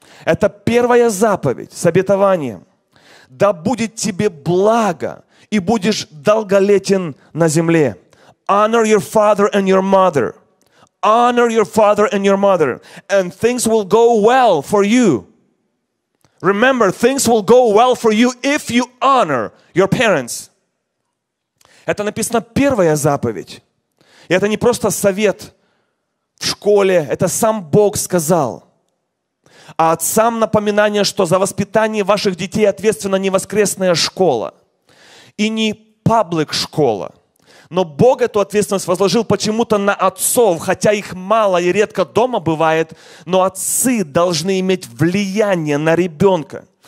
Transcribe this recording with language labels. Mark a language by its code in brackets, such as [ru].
[ru] Это первая заповедь с обетованием. Да будет тебе благо, и будешь долголетен на земле. [en] Honor your father and your mother. Honor your father and your mother. And things will go well for you. Remember, things will go well for you if you honor your parents. [ru] Это написано первая заповедь. И это не просто совет в школе. Это сам Бог сказал. А отцам напоминание, что за воспитание ваших детей ответственна не воскресная школа. И не паблик-школа. Но Бог эту ответственность возложил почему-то на отцов, хотя их мало и редко дома бывает, но отцы должны иметь влияние на ребенка.